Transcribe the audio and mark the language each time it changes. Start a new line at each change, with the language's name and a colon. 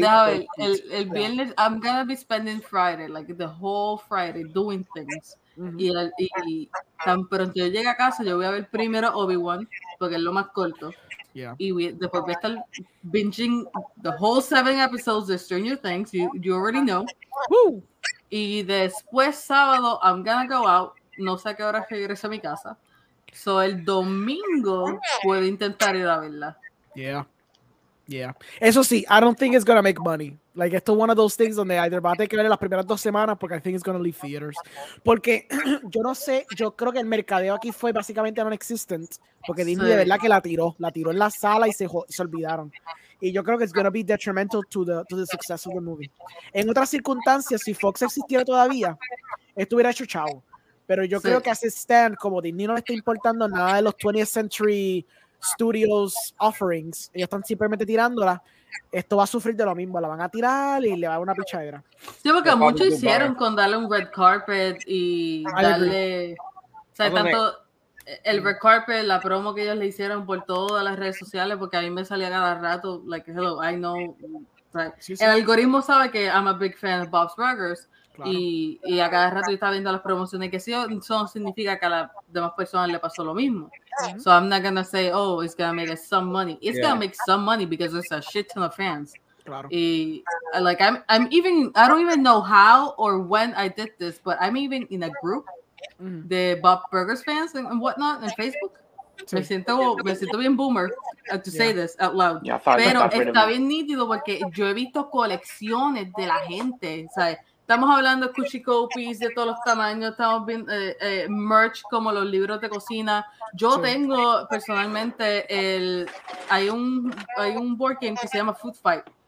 English: now
Spanish: el viernes,
English: I'm gonna be spending Friday, like the whole Friday, doing things. Mm-hmm.
Spanish: Y tan pronto yo llegue a casa, yo voy a ver primero Obi-Wan, porque es lo más corto.
English: Yeah.
Spanish: Y después voy a estar
English: binging the whole 7 episodes of Stranger Things. You already know. Woo!
Spanish: Y después sábado,
English: I'm gonna go out.
Spanish: No sé a qué hora regreso a mi casa. So el domingo puedo intentar ir a verla.
English: Yeah. Yeah.
Spanish: Eso sí,
English: I don't think it's gonna make money.
Spanish: Like, esto es
English: one of those things
Spanish: donde either va a tener que ver las primeras 2 semanas porque
English: I think it's gonna leave theaters.
Spanish: Porque yo no sé, yo creo que el mercadeo aquí fue básicamente non-existent. Porque Disney de verdad que la tiró en la sala y se olvidaron. Y yo creo que
English: it's gonna be detrimental to the success of the movie.
Spanish: En otras circunstancias, si Fox existiera todavía, esto hubiera hecho chavo. Pero yo creo que hace stand, como Disney no le está importando nada de los 20th Century Studios offerings, ellos están simplemente tirándola. esto va a sufrir de lo mismo, la van a tirar y le va a dar una pichadera. Sí, porque no, mucho hicieron con darle un red carpet y darle, o sea, tanto el red carpet, la promo que ellos le hicieron por todas las redes sociales, porque a mí me salía cada rato,
English: like, hello, I know,
Spanish: el algoritmo sabe que
English: I'm a big fan of Bob's Burgers.
Spanish: Claro. Y a cada rato yo estaba viendo las promociones que sí, eso no significa que a las demás personas le pasó lo mismo.
English: Uh-huh. So I'm not gonna say, oh, it's gonna make us some money. It's yeah. gonna make some money because there's a shit ton of fans.
Spanish: Claro.
English: Y like I don't even know how or when I did this, but I'm even in a group de Bob Burgers fans and whatnot on Facebook.
Spanish: Sí. Me siento bien boomer
English: to say this out loud. Yeah,
Spanish: pero está bien nítido porque yo he visto colecciones de la gente, ¿sabes? Estamos hablando de cuchicopis de todos los tamaños, estamos viendo merch como los libros de cocina. Yo tengo personalmente hay un board game que se llama Food Fight.